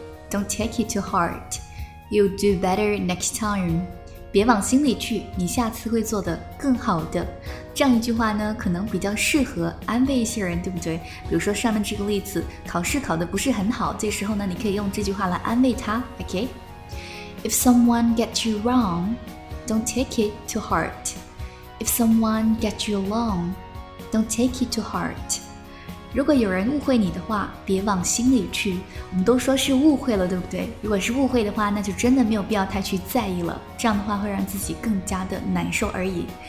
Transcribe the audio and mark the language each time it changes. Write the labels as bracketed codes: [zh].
[en] Don't take it to heart. You'll do better next time. [zh] 别往心里去，你下次会做得更好的。这样一句话呢，可能比较适合安慰一些人，对不对？比如说上面这个例子，考试考得不是很好，这时候呢，你可以用这句话来安慰他。 [en] Okay? If someone gets you wrong, don't take it to heart. If someone gets you wrong, don't take it to heart. [zh] 如果有人误会你的话，别往心里去。我们都说是误会了，对不对？如果是误会的话，那就真的没有必要太去在意了。这样的话会让自己更加的难受而已。